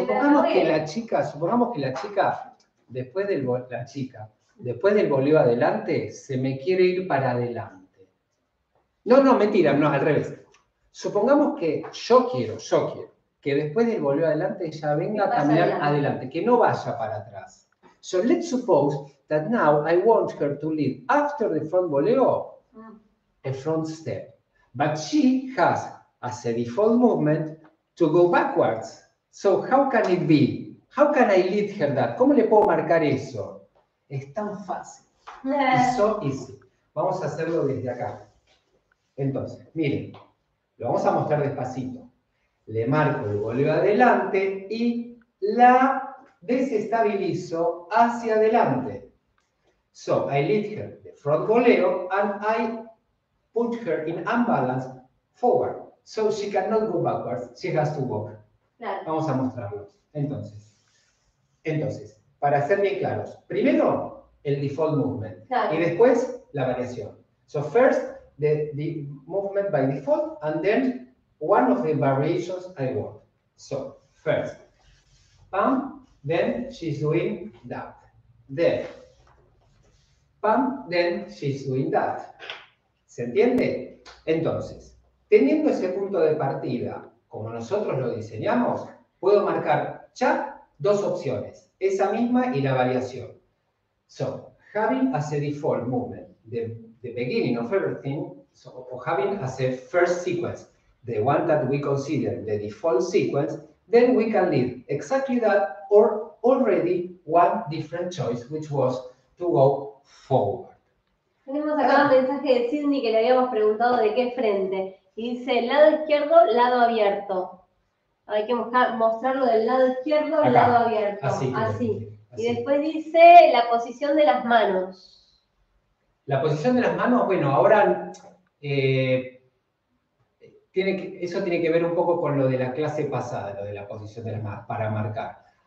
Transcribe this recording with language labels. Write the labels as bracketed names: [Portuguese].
[Spanish] supongamos que la chica, después del voleo adelante, se me quiere ir para adelante. No, mentira, al revés. Supongamos que yo quiero, que después del voleo adelante ella venga a caminar adelante, que no vaya para atrás. [English] So let's suppose that now I want her to lead after the front voleo, a front step. But she has, as a default movement, to go backwards. So how can it be? How can I lead her that? [Spanish] ¿Cómo le puedo marcar eso? Es tan fácil. [English] It's so easy. [Spanish] Vamos a hacerlo desde acá. Entonces, miren, lo vamos a mostrar despacito. Le marco el voleo adelante y la desestabilizo hacia adelante. [English] So, I lead her the front voleo and I put her in unbalance forward. So, she cannot go backwards. She has to walk. [Spanish] Claro. Vamos a mostrarlo. Entonces, para ser bien claros, primero el default movement y después la variación. [English] So first the movement by default and then one of the variations I want. So first, pam, then she's doing that. Then, pam, then she's doing that. [Spanish] ¿Se entiende? Entonces, teniendo ese punto de partida, como nosotros lo diseñamos, puedo marcar ya dos opciones. Esa misma y la variación. [English] So, having as a default movement, the beginning of everything, or having as a first sequence, the one that we consider the default sequence, then we can lead exactly that or already one different choice, which was to go forward. [Spanish] Tenemos acá un mensaje de Sydney que le habíamos preguntado de qué frente. Y dice, lado izquierdo, lado abierto. Hay que mostrarlo del lado izquierdo, acá, lado abierto. Así. Y después dice la posición de las manos. La posición de las manos, bueno, ahora eso tiene que ver un poco con lo de la clase pasada, lo de la posición de las manos, para marcar.